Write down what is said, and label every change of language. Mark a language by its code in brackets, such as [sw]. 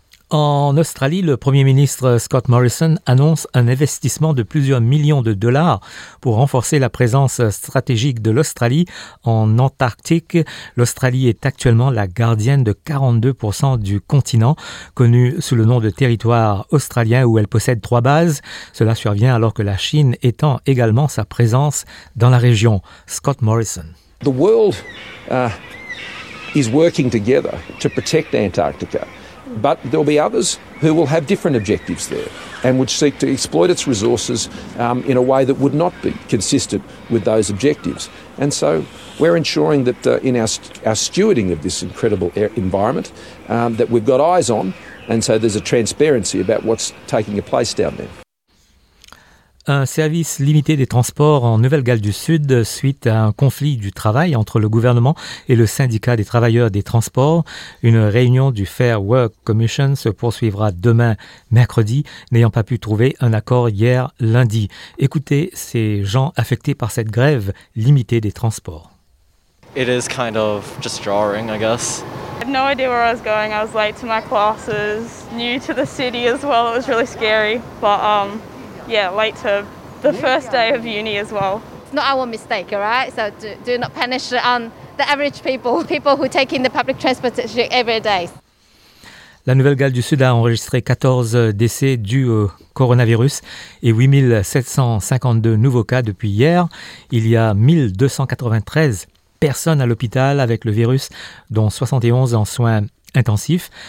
[fr] En Australie, le Premier ministre Scott Morrison annonce un investissement de plusieurs millions de dollars pour renforcer la présence stratégique de l'Australie en Antarctique. L'Australie est actuellement la gardienne de 42% du continent, connu sous le nom de territoire australien où elle possède 3 bases. Cela survient alors que la Chine étend également sa présence dans la région. Scott Morrison. [en] The world is working together to protect Antarctica. But there'll be others who will have different objectives there and would seek to exploit its resources in a way that would not be consistent with those objectives. And so we're ensuring that in our stewarding of this incredible environment that we've got eyes on, and so there's a transparency about what's taking a place down there. [fr] Un service limité des transports en Nouvelle-Galles du Sud suite à un conflit du travail entre le gouvernement et le syndicat des travailleurs des transports. Une réunion du Fair Work Commission se poursuivra demain, mercredi, n'ayant pas pu trouver un accord hier, lundi. Écoutez ces gens affectés par cette grève limitée des transports. [en] It is kind of just jarring, I guess. I had no idea where I was going. I was late to my classes, new to the city as well. It was really scary, but yeah, late to the first day of uni as well. It's not our mistake, all right? So do not punish the average people who take in the public transportation every day. [fr] La Nouvelle-Galles du Sud a enregistré 14 décès dus au coronavirus et 8752 nouveaux cas depuis hier. Il y a 1293 personnes à l'hôpital avec le virus, dont 71 en soins intensifs.